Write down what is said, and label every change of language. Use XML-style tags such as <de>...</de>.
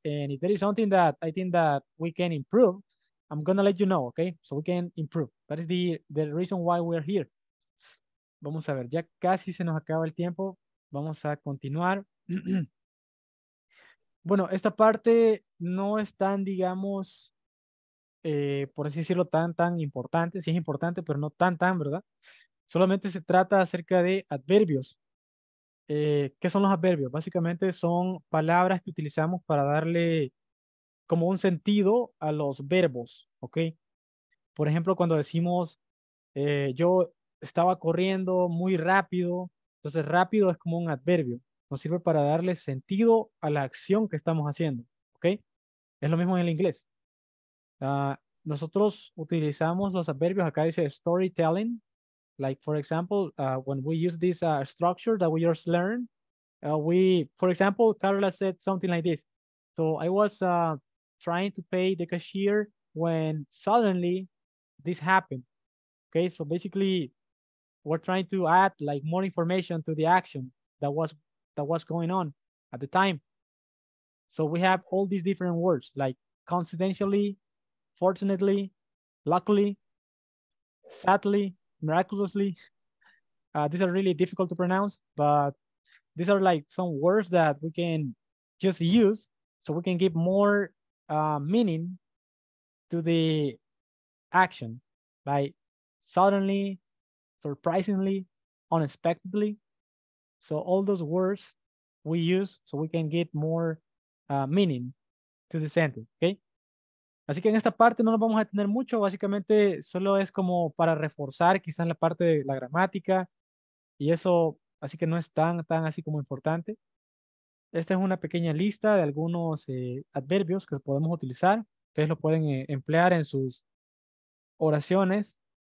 <en>And if there is something that I think that we can improve, I'm gonna let you know, okay? So we can improve. That is the reason why we're here.</en> <es>Vamos a ver, ya casi se nos acaba el tiempo. Vamos a continuar. Bueno, esta parte no es tan, digamos, por así decirlo, tan importante. Sí es importante, pero no tan, ¿verdad? Solamente se trata acerca de adverbios. ¿Qué son los adverbios? Básicamente son palabras que utilizamos para darle como un sentido a los verbos, ¿ok? Por ejemplo, cuando decimos, yo estaba corriendo muy rápido, entonces rápido es como un adverbio, nos sirve para darle sentido a la acción que estamos haciendo, ¿ok? Es lo mismo en el inglés. Nosotros utilizamos los adverbios, acá dice</es> <en>storytelling, like for example, when we use this structure that we just learned, we, for example, Carla said something like this, so I was, trying to pay the cashier when suddenly this happened. Okay, so basically we're trying to add like more information to the action that was going on at the time. So we have all these different words like coincidentally, fortunately, luckily, sadly, miraculously. These are really difficult to pronounce, but these are like some words that we can just use so we can give more meaning to the action, like suddenly, surprisingly, unexpectedly. So all those words we use so we can get more meaning to the sentence, okay?</en> <es>Así que en esta parte no nos vamos a detener mucho, básicamente solo es como para reforzar quizás la parte de la gramática y eso, así que no es tan así como importante. Esta es una pequeña lista de algunos adverbios que podemos utilizar. Ustedes lo pueden emplear en sus oraciones.</es>